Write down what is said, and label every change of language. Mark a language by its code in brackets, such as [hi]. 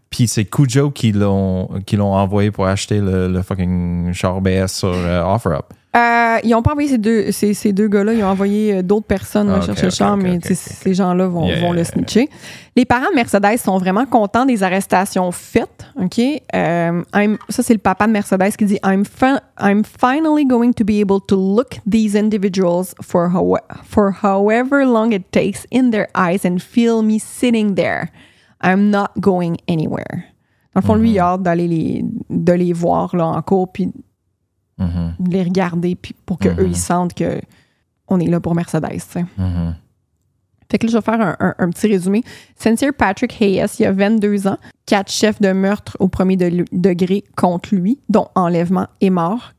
[fr] Puis c'est Kujo qui l'ont envoyé pour acheter le fucking char BS sur OfferUp. Ils ont pas envoyé ces deux gars-là. Ils ont envoyé d'autres personnes chercher le char, ces gens-là vont le snitcher. Les parents de Mercedes sont vraiment contents des arrestations faites. OK? Ça, c'est le papa de Mercedes qui dit [en] « I'm finally going to be able to look these individuals for however long it takes in their eyes and feel me sitting there. » I'm not going anywhere. [fr] Dans le fond, lui, il a hâte d'aller les voir là, en cours, puis de les regarder, puis pour qu'eux, ils sentent qu'on est là pour Mercedes. Fait que là, je vais faire un petit résumé. Sincere Patrick Hayes, il a 22 ans, 4 chefs de meurtre au premier degré contre lui, dont enlèvement et mort.